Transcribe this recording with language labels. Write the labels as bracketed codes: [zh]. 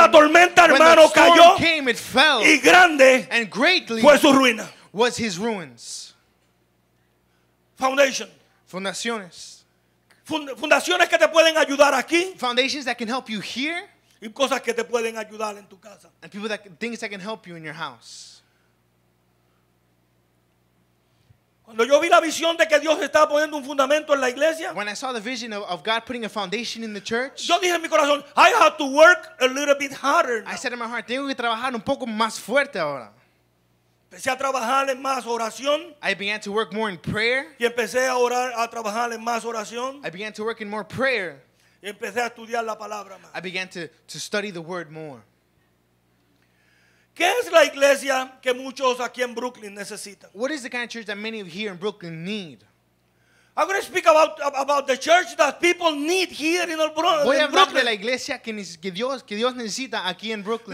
[es] la tormenta hermano cayó [en] came, it fell, [es] y grande [en] and greatly, [es] fue su ruina. [en] Was his ruins. Foundation. [es] Fundaciones. Fundaciones que te pueden ayudar aquí. [en] Foundations that can help you here. [es] Y cosas que te pueden ayudar en tu casa. [en] And people that things that can help you in your house. [es] Cuando yo vi la visión de que Dios estaba poniendo un fundamento en la iglesia, [en] when I saw the vision of God putting a foundation in the church, [es] yo dije en mi corazón, [en] I have to work a little bit harder. I said in my heart, [es] tengo que trabajar un poco más fuerte ahora. Empecé a trabajar en más oración. [en] I began to work more in prayer. [es] Y empecé a orar, a trabajar en más oración. [en] I began to work in more prayer. [es] Y empecé a estudiar la palabra más. [en] I began to study the word more. [es] ¿Qué es la iglesia que muchos aquí en Brooklyn necesitan? [en] What is the kind of church that many of here in Brooklyn need? I'm going to speak about the church that people need here in Brooklyn. [es] Voy a hablar de la iglesia que Dios necesita aquí en Brooklyn.